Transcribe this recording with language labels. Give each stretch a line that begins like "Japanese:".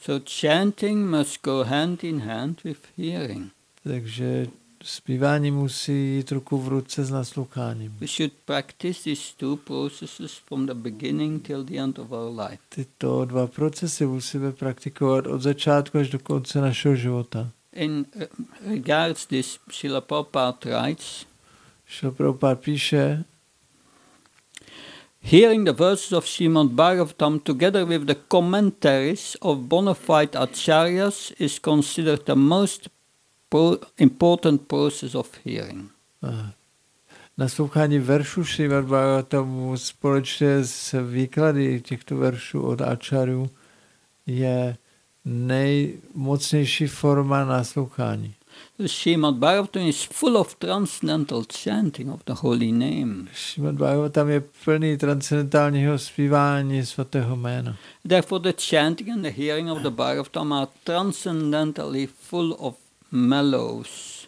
English: So chanting must go hand in hand with hearing.
Czech: Takže zpívání musí jít ruku v ruce s nasloucháním.
English: We should practice these two processes from the beginning till the end of our life.
Czech: Tyto dva procesy musíme praktikovat od začátku až do konce našeho života.
English: In regards this, Srila Prabhupada writes,
Czech: Srila Prabhupada píše,
English: hearing the verses of Srimad Bhagavatam together with the commentaries of bona fide acharyas is considered the most important process of hearing.
Czech: Naslouchání veršů Srimad Bhagavatam společně s výklady těchto veršů od Ačarů je nejmocnější forma naslouchání.
English: Srimad Bhagavatam is full of transcendental chanting of the holy name.
Czech: Srimad Bhagavatam je plný transcendentálního zpívání svatého jména.
English: Therefore the chanting and the hearing of the Bhagavatam are transcendentally full of mellows.